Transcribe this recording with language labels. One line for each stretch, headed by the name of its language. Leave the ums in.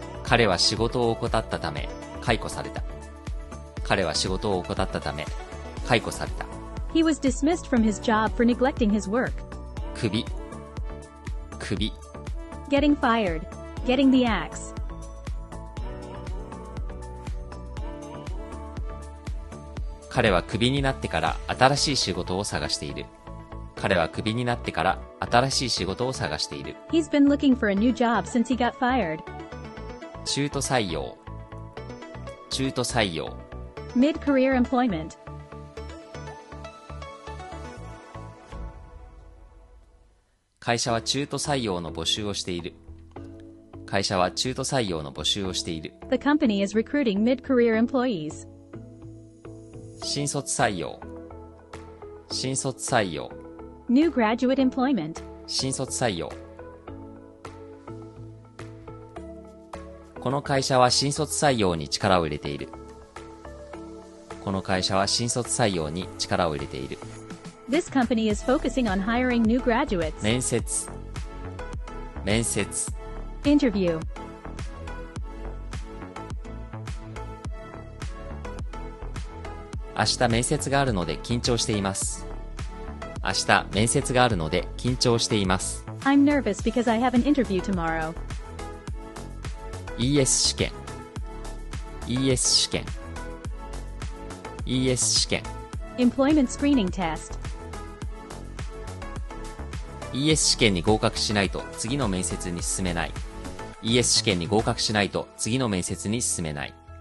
Japanese: 彼は仕事を怠ったため、解雇された。彼は仕事を怠ったため、解雇された。
English: He was dismissed from his job for neglecting his work.
Japanese: 首、首。
English: Getting fired, getting the axe.
Japanese: 彼はクビになってから新しい仕事を探している。彼はクビになってから新しい仕事を探している。
English: He's been looking for a new job since he got fired.
Japanese: 中途採用中途採用
English: Mid -career employment.
Japanese: 会社は中途採用の募集をしている会社は中途採用の募集をしている
English: The company is recruiting mid -career employees.
Japanese: 新卒採用新卒採用
English: New graduate employment.
Japanese: 新卒採用 employment 新卒採用この会社は新卒採用に力を入れている。この会社は新卒採用に力を入れている。
English: This company is focusing on hiring new graduates.
Japanese: 面接面接 Interview 明日面接があるので緊張しています。明日面接があるので緊張しています。
English: I'm nervous because I have an interview tomorrow.
Japanese: ES 試験 ES 試験 ES 試験
English: Employment Screening Test
Japanese: ES 試験に合格しないと次の面接に進めない ES 試験に合格しないと次の面接に進めない